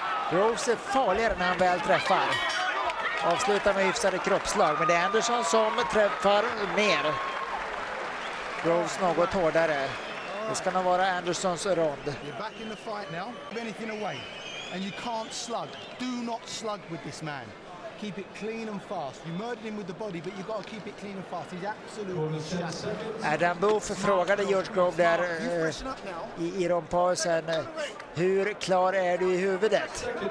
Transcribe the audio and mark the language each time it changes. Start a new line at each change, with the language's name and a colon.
Swedish: Groves är farligare när han väl träffar. Avslutar med hyfsade kroppslag, men det är Anderson som träffar mer. Groves något hårdare. Det ska nog vara Andersons rond.
English: You're back in the fight now. Give anything away. And you can't slug. Do not slug with this man. Keep it clean and fast. You murdered him with the body, but you got to keep it clean and fast. He's absolutely shattered.
Swedish: Adam Booth frågade George Groves där i rompausen, hur klar är du i huvudet?